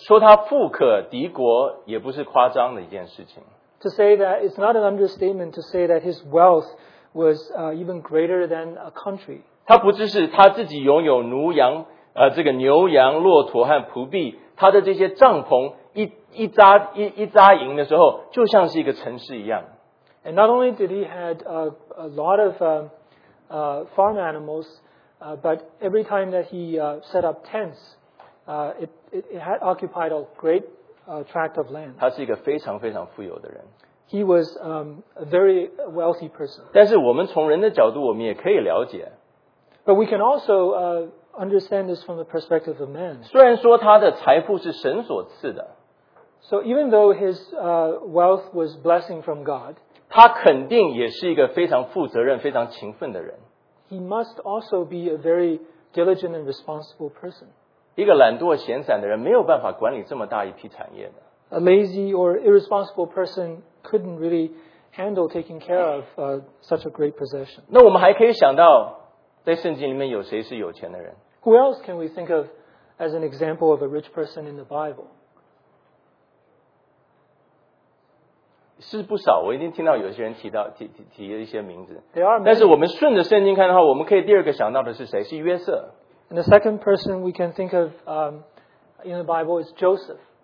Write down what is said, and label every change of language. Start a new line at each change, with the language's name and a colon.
Chinese: 说他富可敌国也不是夸张的一件事情。
English: To say that it's not an understatement to say that his wealth was even greater than a country.
Chinese: 他不只是他自己拥有奴羊。这个牛羊骆驼和仆婢，他的这些帐篷一扎营的时候，就像是一个城市一样。
English: And not only did he had a lot of farm animals, but every time that he set up tents, it had occupied a great tract of land.
Chinese: 他是一个非常非常富有的人。
English: He was a very wealthy person.
Chinese: 但是我们从人的角度，我们也可以了解。
English: But we can also understand this from the perspective of man.
Chinese: 虽然说他的财富是神所赐的,
English: so even though his wealth was blessing from God,
Chinese: 他肯定也是一个非常负责任, 非常勤奋的人。
English: He must also be a very diligent and responsible person.
Chinese: 一个懒惰闲散的人没有办法管理这么大一批产业的。
English: A lazy or irresponsible person couldn't really handle taking care of such a great possession.
Chinese: 那我们还可以想到在圣经里面有谁是有钱的人？
English: Who else can we think of as an example of a rich person in the Bible?
Chinese: 是不少，我已经听到有些人提到提了一些名字。
English: There are many.
Chinese: 但是我们顺着圣经看的话，我们可以第二个想到的是谁？是约瑟。
English: And the second person we can think of in the Bible is Joseph.